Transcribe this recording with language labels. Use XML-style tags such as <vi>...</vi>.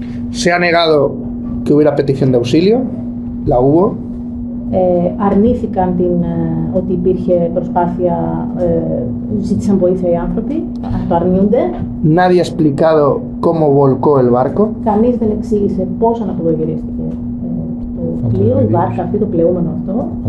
<es>Se ha negado que hubiera petición de auxilio, la hubo.</es> <el>Αρνήθηκαν την, ότι υπήρχε προσπάθεια, ζήτησαν βοήθεια οι άνθρωποι, αυτοαρνιούνται.</el> <es>Nadie ha explicado cómo volcó el barco.</es> <el>Κανείς δεν εξήγησε πώς αναποδογυρίστηκε το πλεούμενο αυτό.</el>